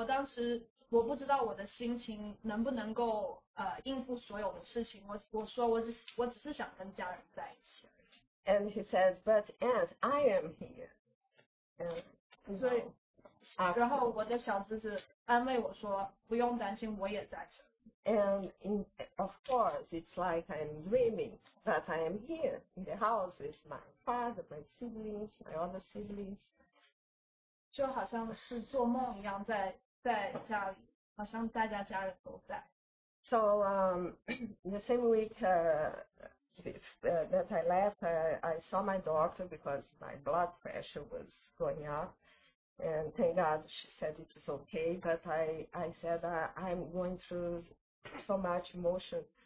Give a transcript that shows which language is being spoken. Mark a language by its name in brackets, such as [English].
[Chinese] 所以当时听到消息之后，我决定要回巴西帮忙料理后事。我当时我不知道我的心情能不能够 应付所有的事情，我说我只是想跟家人在一起。 [English] And he says, but Aunt, I am here. [Chinese] 所以，然后我的小侄子安慰我说，不用担心，我也在这。 [English] And of course, it's like I'm dreaming, but I am here in the house with my father, my siblings, my other siblings. [Chinese] 就好像是做梦一样在家里，好像大家家人都在。 [English] So the same week that I left, I saw my doctor because my blood pressure was going up. And thank God she said it was okay. But I said, I'm going through so much emotion.